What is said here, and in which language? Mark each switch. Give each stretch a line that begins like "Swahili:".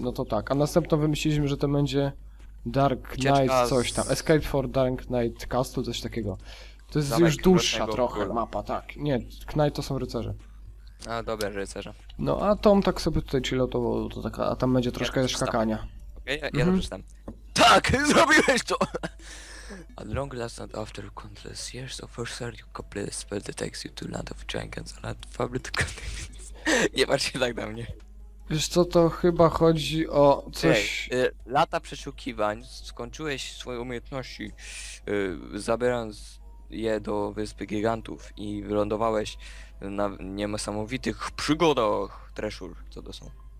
Polish: no to tak. A następne wymyśliliśmy, że to będzie Dark Knight coś tam. Escape for Dark Knight Castle, coś takiego. To jest zamek już dłuższa trochę mapa, tak. Nie, Knight to są rycerze. A, dobra, rycerze. No, a Tom tak sobie tutaj chillotował, to taka, a tam będzie troszkę ja skakania. Okej, okay, ja to przeczytam. Tak, zrobiłeś to!
English: A long last night after countless years of research, you complete a spell that takes you to land of giants and land fabled continents.
Polish: Nie patrz się tak na mnie. Wiesz co, to chyba chodzi o coś... Ej, lata przeszukiwań, skończyłeś swoje umiejętności, zabierając je do wyspy gigantów i wylądowałeś na niesamowitych przygodach, treszur, co to są?